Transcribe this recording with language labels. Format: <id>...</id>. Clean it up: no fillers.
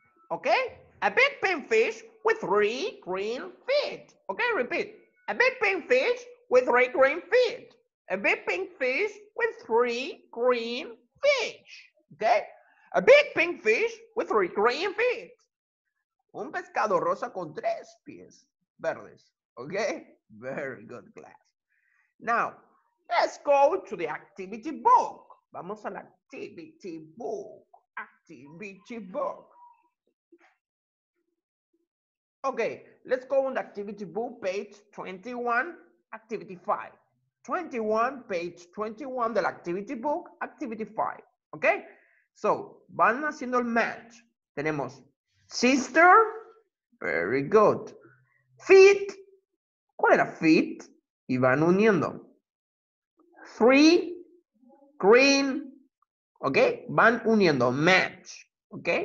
<en>Okay. A big pink fish with three green feet. Okay, repeat. A big pink fish with three green feet. A big pink fish with three green fish. Okay? A big pink fish with three green feet.</en> <es>Un pescado rosa con tres pies verdes.</es> <en>Okay? Very good class. Now, let's go to the activity book.</en> <es>Vamos a la activity book. Activity book.</es> <en>Okay, let's go on the activity book, page 21, activity 5. 21, page 21 del activity book, activity 5. ¿Ok?</en> <es>So, van haciendo el match.</es> <en>Tenemos sister. Very good. Feet.</en> <es>¿Cuál era</es> <en>feet?</en> <es>Y van uniendo. Three. Green. ¿Ok? Van uniendo. Match. ¿Ok?</es>